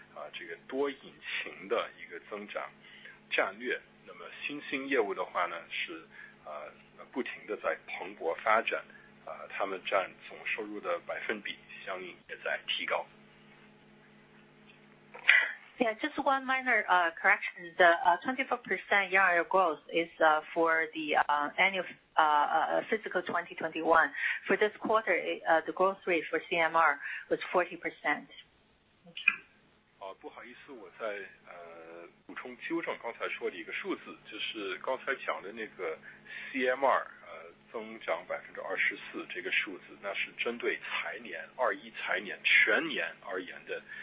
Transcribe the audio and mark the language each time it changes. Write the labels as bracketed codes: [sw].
[zh] 但是呢，与此同时，它占总收入的这个百分比在下降。我认为这样的趋势呢，还会继续延续下去。那么原因呢，是我们正在推行的这个多引擎的一个增长战略。那么新兴业务的话呢，是不停地在蓬勃发展, 他们占总收入的百分比, 相应也在提高。 [en] Yeah, just one minor correction. The 24% year-on-year growth is for the annual fiscal 2021. For this quarter, the growth rate for CMR was 40%. Okay. [zh] 不好意思，我在补充纠正刚才说的一个数字，就是刚才讲的那个 CMR 增长 24% 这个数字，那是针对财年21财年全年而言的。